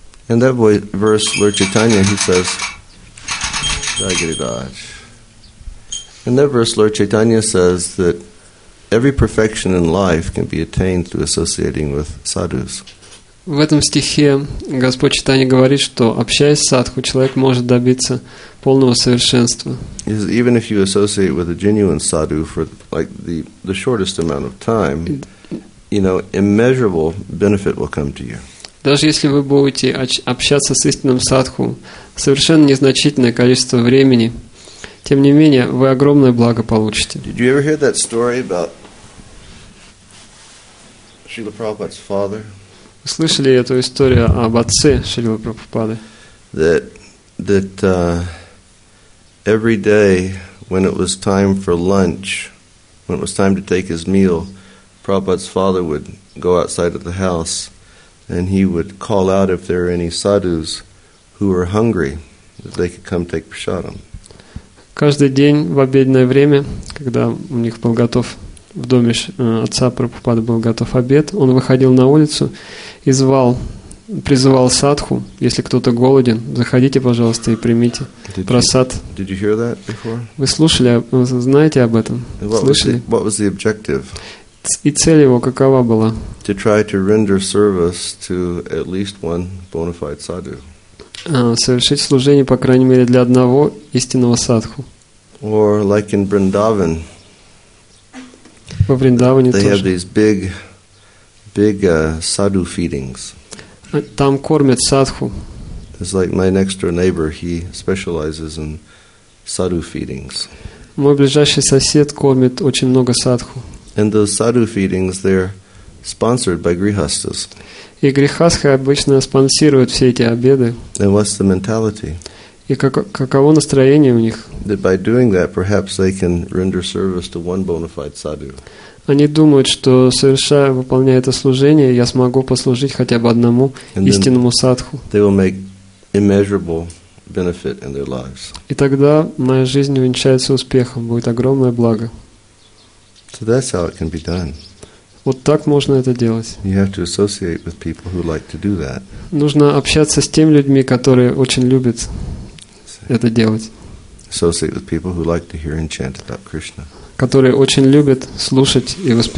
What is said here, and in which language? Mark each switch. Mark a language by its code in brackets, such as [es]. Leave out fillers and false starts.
[en] And that verse, Lord Chaitanya, he says, Jai Giridhar. In that verse, Lord Chaitanya says that every perfection in life can be attained through associating with sadhus. [ru] В этом стихе Господь Чайтанья говорит, что общаясь с садху, человек может добиться полного совершенства. [en] Even if you associate with a genuine sadhu for like the shortest amount of time, you know, immeasurable benefit will come to you. [ru] Даже если вы будете общаться с истинным садху совершенно незначительное количество времени, тем не менее, вы огромное благо получите. [en] Did you ever hear that story about Srila Prabhupada's father? [ru] Вы слышали эту историю об отце Шрилы Прабхупады? [en] That every day when it was time for lunch, when it was time to take his meal, Prabhupada's father would go outside of the house. And he would call out if there are any sadhus who are hungry. they could come take prasadam. [ru] Каждый день в обеденное время, когда у них был готов в доме отца Прабхупады был готов обед, он выходил на улицу и звал, призывал садху, если кто-то голоден, заходите, пожалуйста, и примите просад. [en] Did you hear that before? [ru] Вы слушали, знаете об этом? Слышали? [en] What was the objective? [ru] И цель его какова была? [en] To try to render service to at least one bona fide sadhu. [ru] Совершить служение, по крайней мере, для одного истинного садху. [en] Or like in Vrindavan. [ru] Во Вриндаване тоже. [en] They have these big, big sadhu feedings. [ru] Там кормят садху. [en] It's like my next door neighbor, he specializes in sadhu feedings. [ru] Мой ближайший сосед кормит очень много садху. [en] And those sadhu feedings, they're sponsored by grihasthas. [ru] И грехасхи обычно спонсируют все эти обеды. [en] And what's the mentality? [ru] И каково настроение у них? [en] That by doing that, perhaps they can render service to one bona fide sadhu. [ru] Они думают, что совершая, выполняя это служение, я смогу послужить хотя бы одному истинному садху. [en] They will make immeasurable benefit in their lives. [ru] И тогда моя жизнь увенчается успехом, будет огромное благо. [en] So that's how it can be done. [ru] Вот так можно это делать. [en] You have to associate with people who like to do that. [ru] Нужно общаться с теми людьми, которые очень любят это делать. [en] Associate with people who like to hear and chant about Krishna. [ru] Которые очень любят слушать и